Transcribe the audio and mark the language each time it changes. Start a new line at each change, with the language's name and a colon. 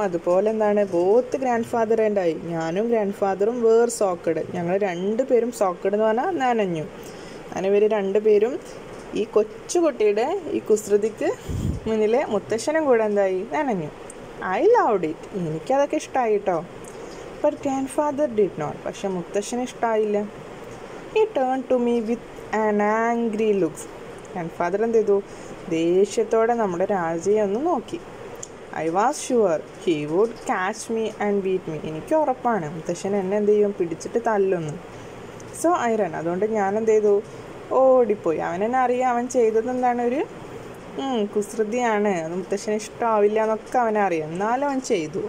Malayalam: അതുപോലെ എന്താണ്
English: both grandfather and I,
Malayalam: ഞാനും ഗ്രാൻഡ് ഫാദറും
English: were soaked,
Malayalam: ഞങ്ങൾ രണ്ടുപേരും സോക്കഡ് എന്ന് പറഞ്ഞാൽ നനഞ്ഞു. അങ്ങനെ ഇവർ രണ്ടുപേരും ഈ കൊച്ചുകുട്ടിയുടെ ഈ കുസൃതിക്ക് മുന്നിലെ മുത്തശ്ശനും കൂടെ എന്തായി നനഞ്ഞു.
English: I love it,
Malayalam: എനിക്കതൊക്കെ ഇഷ്ടമായി കേട്ടോ.
English: But grandfather did not.
Malayalam: പക്ഷെ മുത്തശ്ശന് ഇഷ്ടമായില്ല.
English: He turned to me with an angry look.
Malayalam: Grandfather എന്ത് ചെയ്തു, ദേഷ്യത്തോടെ നമ്മുടെ രാജയെ ഒന്ന് നോക്കി.
English: I was sure he would catch me and beat me,
Malayalam: എനിക്ക് ഉറപ്പാണ് മുത്തശ്ശൻ എന്നെ എന്ത് ചെയ്യും പിടിച്ചിട്ട് തല്ലൊന്ന്.
English: so I run,
Malayalam: അതുകൊണ്ട് ഞാൻ എന്ത് ചെയ്തു, ഓടിപ്പോയി. അവൻ എന്നെ അറിയാം, അവൻ ചെയ്തത് എന്താണ് ഒരു കുസൃതിയാണ്, അത് മുത്തശ്ശന് ഇഷ്ടമാവില്ല എന്നൊക്കെ അവനറിയാം. എന്നാലും അവൻ ചെയ്തു.